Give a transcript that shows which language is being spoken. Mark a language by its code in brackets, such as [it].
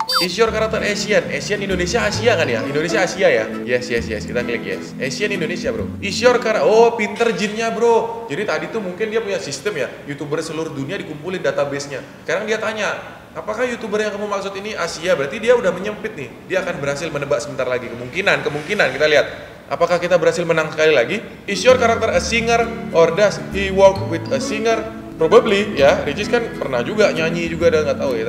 [en] Is your character Asian? Asian Indonesia, Asia kan ya? Indonesia, Asia ya? Yes, yes, yes. [id] Kita klik yes. [en] Asian Indonesia, bro. Is your character... [id] Oh, pinter Jinnya, bro. Jadi tadi tuh mungkin dia punya sistem ya. YouTuber seluruh dunia dikumpulin database-nya. Sekarang dia tanya, apakah YouTuber yang kamu maksud ini Asia? Berarti dia udah menyempit nih. Dia akan berhasil menebak sebentar lagi. Kemungkinan, kemungkinan kita lihat. Apakah kita berhasil menang sekali lagi? [en] Is your character a singer or does he work with a singer? Probably, ya. [id] Regis kan pernah juga nyanyi juga dan nggak tahu ya.